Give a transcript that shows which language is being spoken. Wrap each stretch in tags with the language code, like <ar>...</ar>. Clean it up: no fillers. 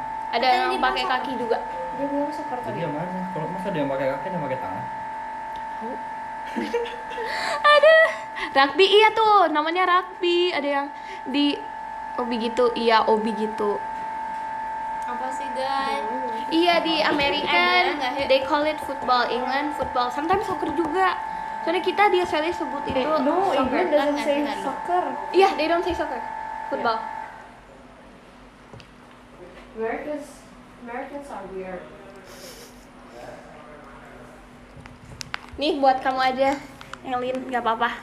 <id>Ada yang pakai kaki juga. Dia bilang soccer tadi. Dia mana? Kalau masa ada yang pakai kaki dan pakai tangan? Aduh, rugby iya tuh, namanya rugby. Ada yang di obi gitu, iya obi gitu. Apa sih guys? Iya di</id> <en>American, they call it football, England football. Sometimes soccer</en> <id>juga. Soalnya kita di Australia sebut itu.</id> <en>No, England doesn't say soccer.</en> <id>Iya,</id> <en>yeah, they don't say soccer, football. Americans are weird.</en> <id>Nih buat kamu aja, Elin, gak apa-apa.</id>